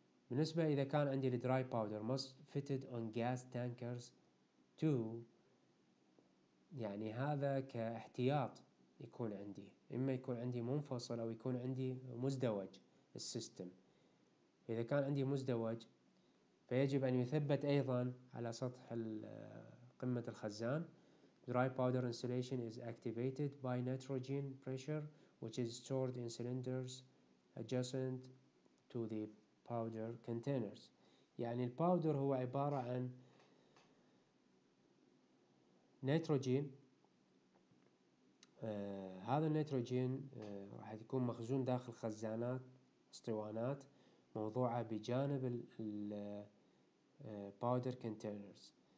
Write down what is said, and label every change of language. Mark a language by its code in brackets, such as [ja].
[ar] بالنسبة إذا كان عندي [en] the dry powder must fitted on gas tankers too [ar] يعني هذا كاحتياط يكون عندي، إما يكون عندي منفصل أو يكون عندي مزدوج السيستم. إذا كان عندي مزدوج فيجب أن يثبت أيضا على سطح قمة الخزان. [en] Dry powder insulation is activated by nitrogen pressure which is stored in cylinders adjacent to the powder containers. [ar] يعني الباودر هو عبارة عن نيتروجين، هذا النيتروجين راح يكون مخزون داخل خزانات اسطوانات موضوعة بجانب ال powder containers